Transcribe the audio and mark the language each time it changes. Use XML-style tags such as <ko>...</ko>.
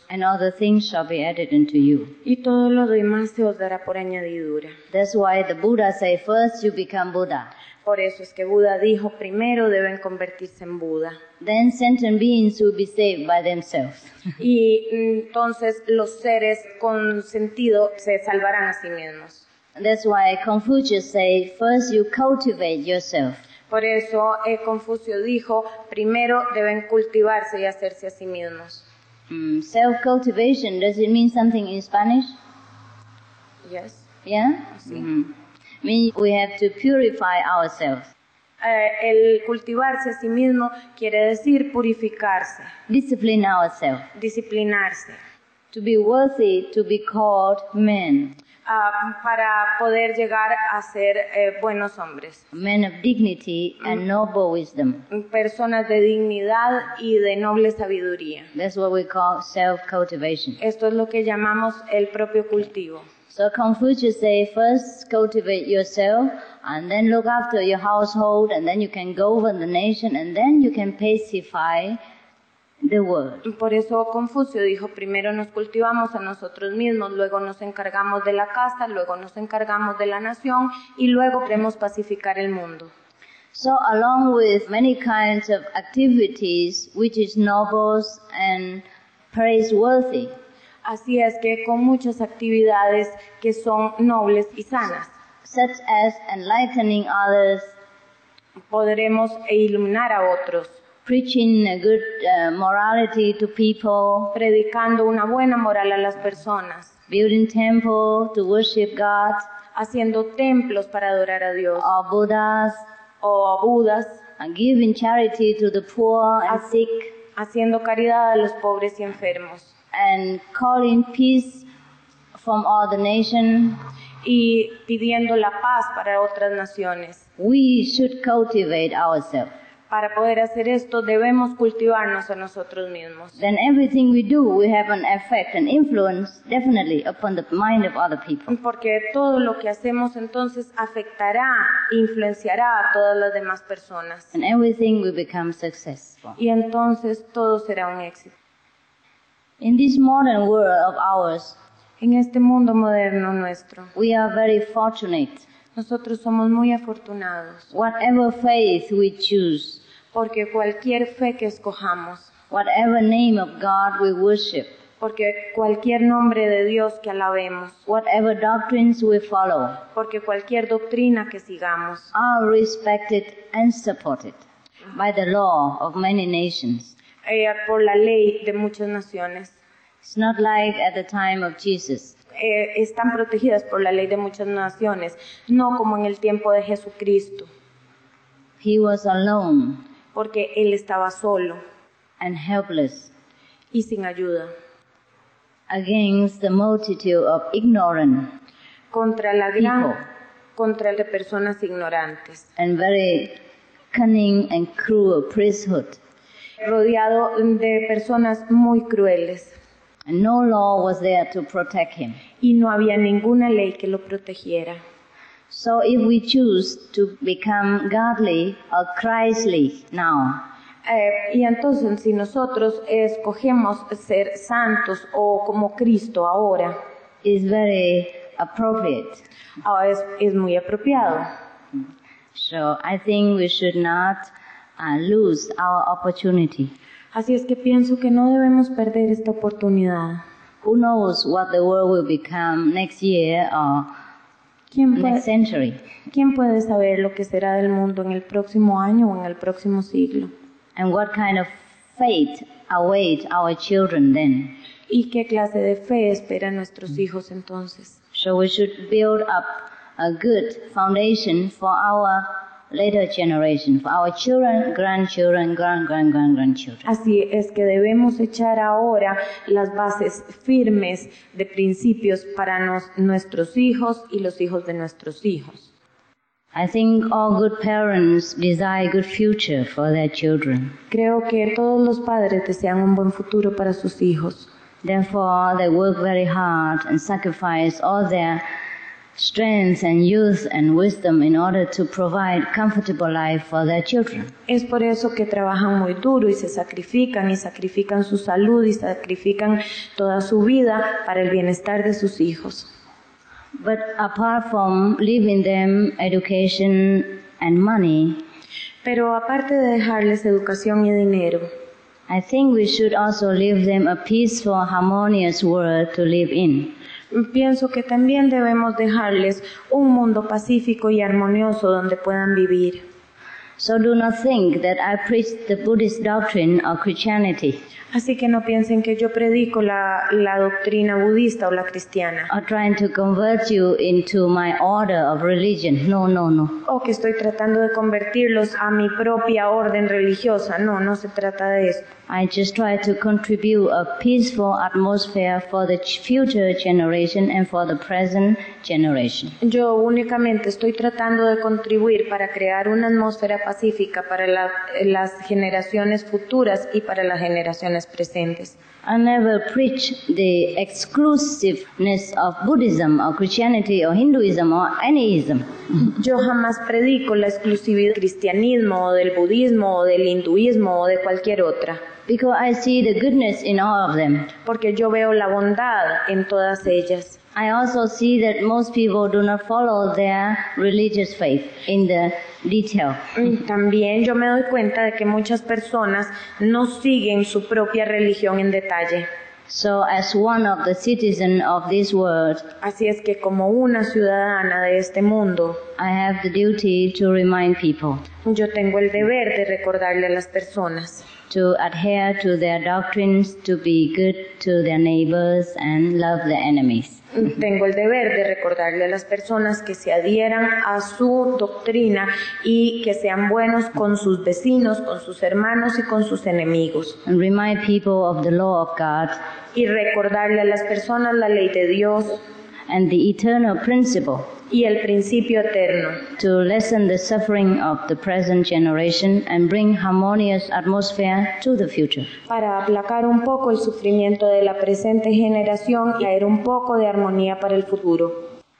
<en>And all the things shall be added unto you.</en> <es>Y todo lo demás se os dará por añadidura.</es> <en>That's why the Buddha say, first you become Buddha.</en> <es>Por eso es que Buda dijo, primero deben convertirse en Buda.</es> <en>Then sentient beings will be saved by themselves.</en> <es>Y entonces los seres con sentido se salvarán a sí mismos.</es> <en>That's why Confucius say, first you cultivate yourself.</en> <es>Por eso Confucio dijo, primero deben cultivarse y hacerse a sí mismos.</es> <en>Self-cultivation, does it mean something in Spanish? Yes. Yeah?</en> <es>Sí. Mm-hmm.</es> <en>Means we have to purify ourselves.</en> <es>El cultivarse a sí mismo quiere decir purificarse.</es> <en>Discipline ourselves.</en> <es>Disciplinarse.</es> <en>To be worthy to be called men.</en> <es>para poder llegar a ser buenos hombres.</es> <en>Men of dignity and noble wisdom.</en> <es>Personas de dignidad y de noble sabiduría.</es> <en>That's what we call self-cultivation.</en> <es>Esto es lo que llamamos el propio cultivo.</es> <en>So Confucius say, first cultivate yourself, and then look after your household, and then you can govern the nation, and then you can pacify the world.</en> <es>Por eso Confucio dijo, primero nos cultivamos a nosotros mismos, luego nos encargamos de la casta, luego nos encargamos de la nación, y luego queremos pacificar el mundo.</es> <en>So along with many kinds of activities, which is noble and praiseworthy.</en> <es>Así es que con muchas actividades que son nobles y sanas.</es> <en>Such as enlightening others.</en> <es>Podremos iluminar a otros.</es> <en>Preaching a good morality to people.</en> <es>Predicando una buena moral a las personas.</es> <en>Building temple to worship God.</en> <es>Haciendo templos para adorar a Dios.</es> <en>Or Buddhas.</en> <es>O Budas.</es> <en>And giving charity to the poor and sick.</en> <es>Haciendo caridad a los pobres y enfermos.</es> <en>And calling peace from all the nations.</en> <es>Y pidiendo la paz para otras naciones.</es> <en>We should cultivate ourselves.</en> <es>Para poder hacer esto, debemos cultivarnos a nosotros mismos.</es> <en>Then everything we do, we have an effect, an influence, definitely, upon the mind of other people.</en> <es>Porque todo lo que hacemos entonces afectará, influenciará a todas las demás personas.</es> <en>And everything will become successful.</en> <es>Y entonces todo será un éxito.</es> <en>In this modern world of ours,</en> <es>en este mundo moderno nuestro,</es> <en>we are very fortunate.</en> <es>Nosotros somos muy afortunados.</es> <en>Whatever faith we choose,</en> <es>porque cualquier fe que escojamos,</es> <en>whatever name of God we worship,</en> <es>porque cualquier nombre de Dios que alabemos,</es> <en>whatever doctrines we follow,</en> <es>porque cualquier doctrina que sigamos,</es> <en>are respected and supported by the law of many nations.</en> <es>Por la ley de muchas naciones.</es> <en>It's not like at the time of Jesus.</en> <es>Están protegidas por la ley de muchas naciones, no como en el tiempo de Jesucristo.</es> <en>He was alone.</en> <es>Porque él estaba solo.</es> <en>And helpless.</en> <es>Y sin ayuda.</es> <en>Against the multitude of ignorant.</en> <es>Contra la gran, contra de personas ignorantes.</es> <en>And very cunning and cruel priesthood.</en> <es>Rodeado de personas muy crueles.</es> <en>And no law was there to protect him.</en> <es>Y no había ninguna ley que lo protegiera.</es> <en>So if we choose to become godly or Christly now,</en> <es>y entonces si nosotros escogemos ser santos o como Cristo ahora,</es> <en>is very appropriate.</en> <es>Es muy apropiado.</es> <en>So I think we should not lose our opportunity.</en> <es>Así es que pienso que no debemos perder esta oportunidad.</es> <en>Who knows what the world will become next year or next century?</en> <es>¿Quién puede saber lo que será del mundo en el próximo año o en el próximo siglo?</es> <en>And what kind of fate awaits our children then?</en> <es>¿Y qué clase de fe espera nuestros hijos entonces?</es> <en>So we should build up a good foundation for our later generation, for our children, grandchildren, grandchildren.</en> <es>Así es que debemos echar ahora las bases firmes de principios para nuestros hijos y los hijos de nuestros hijos.</es> <en>I think all good parents desire a good future for their children.</en> <es>Creo que todos los padres desean un buen futuro para sus hijos.</es> <en>Therefore, they work very hard and sacrifice all their strength and youth and wisdom in order to provide comfortable life for their children.</en> <es>Es por eso que trabajan muy duro y se sacrifican y sacrifican su salud y sacrifican toda su vida para el bienestar de sus hijos.</es> <en>But apart from leaving them education and money,</en> <es>pero aparte de dejarles educación y dinero,</es> <en>I think we should also leave them a peaceful, harmonious world to live in.</en> <es>Pienso que también debemos dejarles un mundo pacífico y armonioso donde puedan vivir.</es> <en>So do not think that I preach the Buddhist doctrine or Christianity.</en> <es>Así que no piensen que yo predico la doctrina budista o la cristiana.</es> <en>Or trying to convert you into my order of religion. No, no, no.</en> <es>O que estoy tratando de convertirlos a mi propia orden religiosa. No, no se trata de eso.</es> <en>I just try to contribute a peaceful atmosphere for the future generation and for the present generation.</en> <es>Yo únicamente estoy tratando de contribuir para crear una atmósfera pacífica para las generaciones futuras y para las generaciones presentes.</es> <en>I never preach the exclusiveness of Buddhism or Christianity or Hinduism or anyism.</en> <es>Yo jamás predico la exclusividad del cristianismo o del budismo o del hinduismo o de cualquier otra.</es> <en>Because I see the goodness in all of them.</en> <es>Porque yo veo la bondad en todas ellas.</es> <en>I also see that most people do not follow their religious faith in the detail.</en> <es>También yo me doy cuenta de que muchas personas no siguen su propia religión en detalle.</es> <en>So as one of the citizens of this world,</en> <es>así es que como una ciudadana de este mundo,</es> <en>I have the duty to remind people.</en> <es>Yo tengo el deber de recordarle a las personas.</es> <en>To adhere to their doctrines, to be good to their neighbors and love their enemies.</en> <es>Tengo el deber de recordarle a las personas que se adhieran a su doctrina y que sean buenos con sus vecinos, con sus hermanos y con sus enemigos.</es> <en>And remind people of the law of God.</en> <es>Y recordarle a las personas la ley de Dios.</es> <en>And the eternal principle.</en> <es>Y el principio eterno.</es> <en>To lessen the suffering of the present generation and bring harmonious atmosphere to the future.</en> <es>Para aplacar un poco el sufrimiento de la presente generación y traer un poco de armonía para el futuro.</es>